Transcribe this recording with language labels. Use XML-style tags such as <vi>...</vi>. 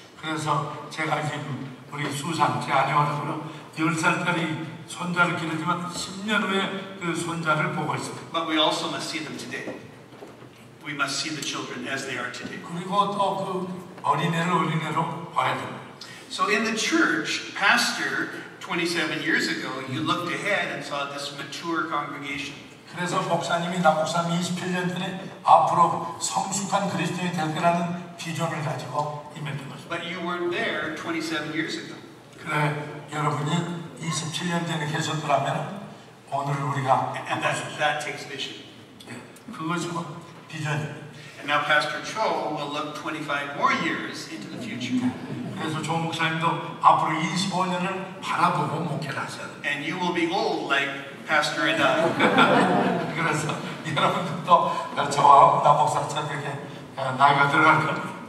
<ko>그래서 제가 지금 우리 수상 제 아내와 더불어 10살 딸이 손자를 기르지만 10년 후에 그 손자를 보고 있습니다.</ko> <en>But we also must see them today. We must see the children as they are today.</en> <ko>그리고 또 그 어린애로 봐야 됩니다.</ko> <en>So in the church, pastor 27 years ago, you looked ahead and saw this mature congregation.</en> <ko>그래서 목사님이 나 목사님 27년 전에 앞으로 성숙한 그리스도인이 될 거라는 비전을 가지고 임했던 것입니다.</ko> <en>But you weren't there 27 years ago.</en> <ko>그래 여러분이 27년 전에 계셨더라면 오늘 우리가</ko> <en>And that takes vision.</en> <ko>그것이 비전입니다.</ko> <en>And now Pastor Cho will look 25 more years into the future.</en> <ko>그래서 조 목사님도 앞으로 25년을 바라보고 목회를 하세요.</ko> <en>And you will be old like Pastor and I.</en> <ko>그래서 여러분들도 저와 나 목사처럼 이렇게 나이가 들어갈 겁니다.</ko>